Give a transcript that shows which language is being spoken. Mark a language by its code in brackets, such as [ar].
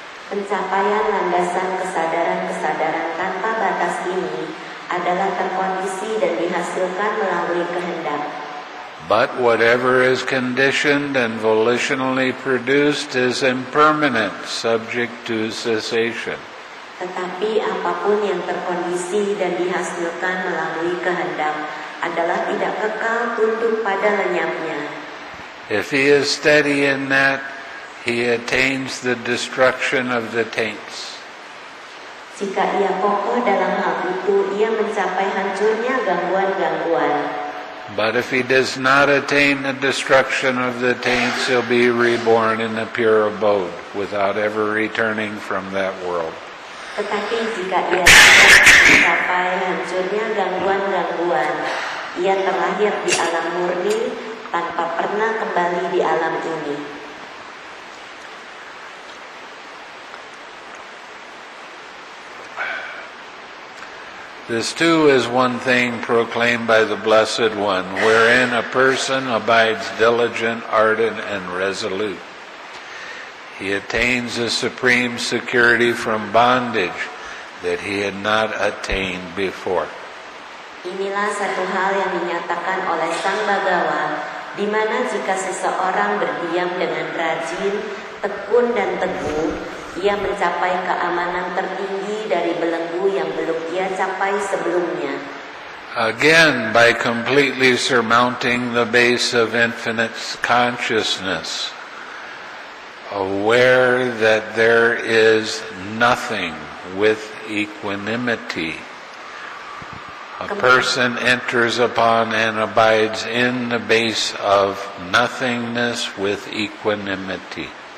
[id] Pencapaian landasan kesadaran-kesadaran tanpa batas ini adalah terkondisi dan dihasilkan melalui kehendak. [en] But whatever is conditioned and volitionally produced is impermanent, subject to cessation. [id] Tetapi apapun yang terkondisi dan dihasilkan melalui kehendak adalah tidak kekal, tunduk pada lenyapnya. [en] If he is steady in that, he attains the destruction of the taints. [id] Jika ia kokoh dalam hal itu, ia mencapai hancurnya gangguan-gangguan. [en] But if he does not attain the destruction of the taints, he'll be reborn in the pure abode without ever returning from that world. [id] Tetapi jika ia mencapai hancurnya gangguan-gangguan, ia terlahir di alam murni tanpa pernah kembali di alam ini. [en] This too is one thing proclaimed by the Blessed One, wherein a person abides diligent, ardent, and resolute. He attains a supreme security from bondage that he had not attained before. [id] Inilah satu hal yang dinyatakan oleh Sang Bhagawa, di mana jika seseorang berdiam dengan rajin, tekun, dan teguh, ia mencapai keamanan tertinggi dari belenggu yang belum ia capai sebelumnya. [en] Again, by completely surmounting the base of infinite consciousness, aware that there is nothing with equanimity, a person enters upon and abides in the base of nothingness with equanimity.